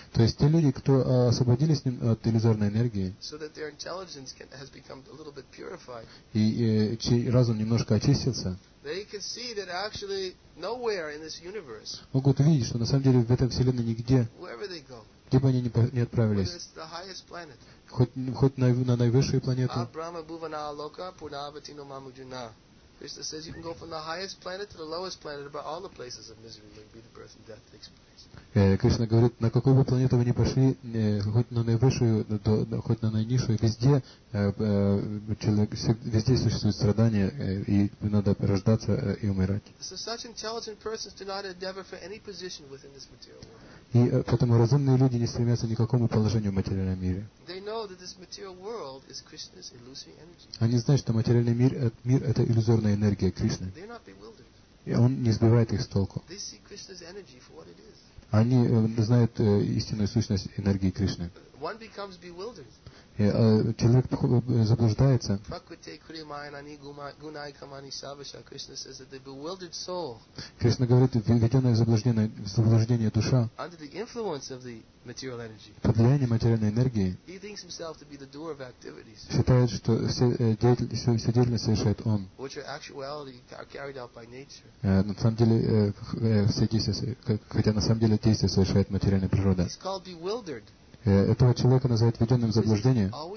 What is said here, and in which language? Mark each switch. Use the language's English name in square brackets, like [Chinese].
[Russian] То есть те люди, кто освободились от иллюзорной энергии. [English] So that their intelligence has become a little bit purified. [Russian] И чей разум немножко очистился. [English] They can see that actually nowhere in this universe. [Russian] Могут видеть, что на самом деле в этой вселенной нигде. [English] Wherever they go. [Russian] Где бы они ни отправились. Хоть на наивысшую планету. [Sanskrit] Абрама Бувана Алока Пурнаватину Мамуджуна. [English] Krishna says you can go from the highest planet to the lowest planet, but all the places of misery will be the birth and death takes place. [Russian] Кришна говорит, на какую бы планету вы ни пошли, хоть на наивысшую, хоть на наинизшую, везде существуют страдания, и надо рождаться и умирать. [English] So such intelligent persons do not endeavor for any position within this material world. [Russian] И поэтому разумные люди не стремятся ни к какому положению в материальном мире. [English] They know that this material world is Krishna's illusory energy. [Russian] Они знают, что материальный мир это иллюзорная энергия Кришны. [English] They're not bewildered. [Russian] И он не сбивает их с толку. [English] They see Krishna's energy for what it is. [Russian] Они знают истинную сущность энергии Кришны. [English] One becomes bewildered. [Russian] Человек заблуждается. [Sanskrit] Пракрите кримайна ни гунай камани савиша. [English] Krishna says that the bewildered soul. [Russian] Кришна говорит, введенная в заблуждение душа. [English] Under the influence of the material energy. [Russian] Под влиянием материальной энергии. [English] He thinks himself to be the doer of activities. [Russian] Считает, что все деятельность совершает он. [English] Which are actually carried out by nature. [Russian] На самом деле все действия, хотя на самом деле действия совершает материальная природа. [English] He's called bewildered. [Russian] Этого человека называют введенным в заблуждение.